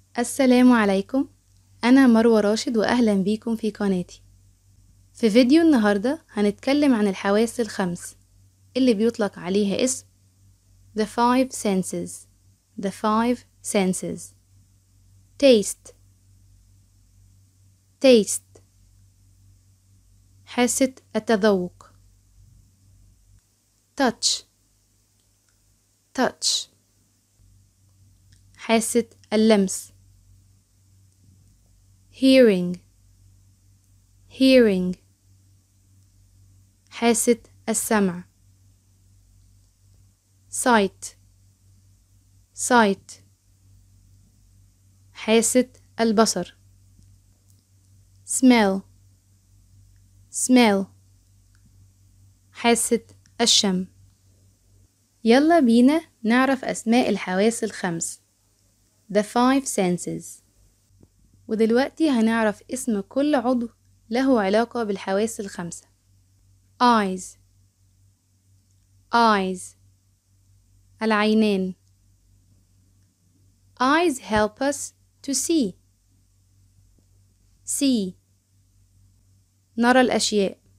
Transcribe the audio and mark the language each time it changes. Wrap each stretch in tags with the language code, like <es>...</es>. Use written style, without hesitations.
<ar>السلام عليكم، أنا مروة راشد وأهلا بيكم في قناتي. في فيديو النهاردة هنتكلم عن الحواس الخمس اللي بيطلق عليها اسم</ar> <en>The Five Senses. The Five Senses: Taste، Taste</en> <ar>حاسة التذوق،</ar> <en>Touch، Touch</en> <ar>حاسة اللمس،</ar> <en>Hearing، Hearing</en> <ar>حاسة السمع،</ar> <en>Sight، Sight</en> <ar>حاسة البصر،</ar> <en>Smell، Smell</en> <ar>حاسة الشم. يلا بينا نعرف أسماء الحواس الخمس،</ar> <en>The Five Senses.</en> <ar>ودلوقتي هنعرف اسم كل عضو له علاقة بالحواس الخمسة.</ar> <en>Eyes، Eyes</en> <ar>العينين.</ar> <en>Eyes help us to see، See</en> <ar>نرى الأشياء.</ar>